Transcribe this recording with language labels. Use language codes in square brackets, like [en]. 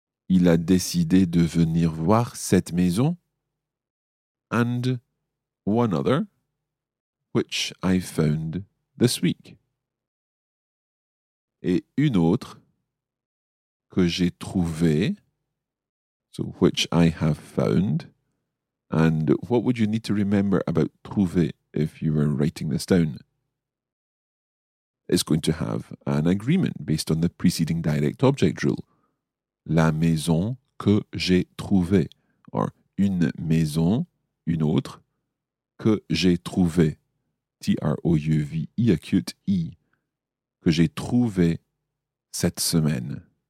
[fr] Il a décidé de venir voir cette maison. [en] And one other, which I found this week. [fr] Et une autre que j'ai trouvé. [en] So, which I have found. And what would you need to remember about trouver if you were writing this down? It's going to have an agreement based on the preceding direct object rule. [fr] La maison que j'ai trouvée, or une maison, une autre, que j'ai trouvée, T-R-O-U-V-E, acute E, que j'ai trouvée cette semaine.